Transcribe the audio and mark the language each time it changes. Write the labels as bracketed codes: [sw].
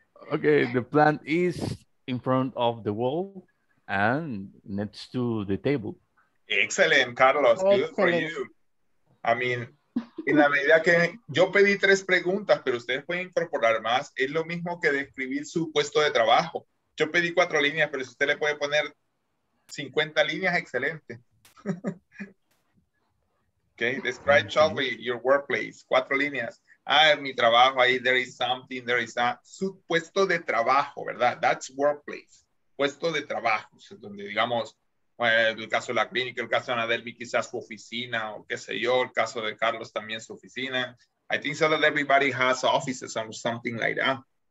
[en] Okay, the plant is in front of the wall and next to the table. Excellent, Carlos. Excellent. Good for you. [es] I mean, en la medida que yo pedí tres preguntas, pero ustedes pueden incorporar más, es lo mismo que describir su puesto de trabajo. Yo pedí cuatro líneas, pero si usted le puede poner 50 líneas, excelente. [en] Okay, describe shortly your workplace. [es] Cuatro líneas. Ah, mi trabajo ahí, [en] there is something, there is a [es] su puesto de trabajo, ¿verdad? [en] That's workplace. [es] Puesto de trabajo. O sea, donde digamos, bueno, el caso de la clínica, el caso de Anadelmi, quizás su oficina, o qué sé yo, el caso de Carlos también su oficina. [en] I think so that everybody has offices or something like that.